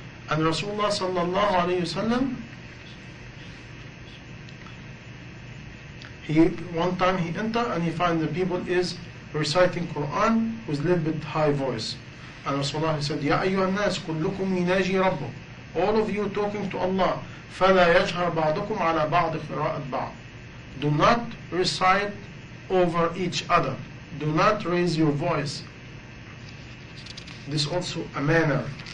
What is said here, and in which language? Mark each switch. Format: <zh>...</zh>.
<en>And Rasulullah sallallahu alayhi wa sallam, he one time he enter and he find the people is reciting Quran with a little bit high voice. And Rasulullah said,</en> <ar>يَا أَيُّهَا النَّاسِ كُلُّكُمْ يُنَاجِي رَبُّ.</ar> <en>All of you talking to Allah.</en> <ar>فَلَا يَجْهَرْ بَعْضُكُمْ عَلَى بَعْضِ قِرَاءَةِ بَعْضٍ.</ar> <en>Do not recite over each other. Do not raise your voice. This also a manner.</en>